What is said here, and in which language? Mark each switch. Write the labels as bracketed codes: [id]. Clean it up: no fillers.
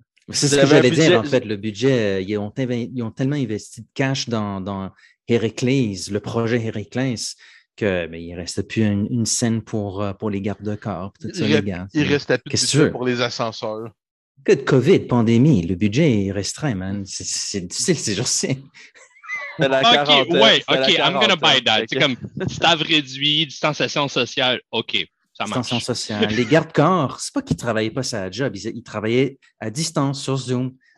[fr] C'est ce que j'allais dire, en fait, le budget, ils ont tellement investi de cash dans Héraclès, le projet Héraclès, qu'il ne reste plus une scène pour les gardes-corps. Tout ça, il les gars. Il reste plus de budget pour les ascenseurs. Que de COVID, pandémie, le budget est restreint, man. C'est difficile, c'est genre ça. [en] OK, ouais, OK, I'm going to buy that. [fr] C'est comme staff réduit, distanciation sociale, OK. Distanciation sociale. Les gardes-corps, c'est pas qu'ils travaillaient pas sa job, ils travaillaient à distance sur Zoom.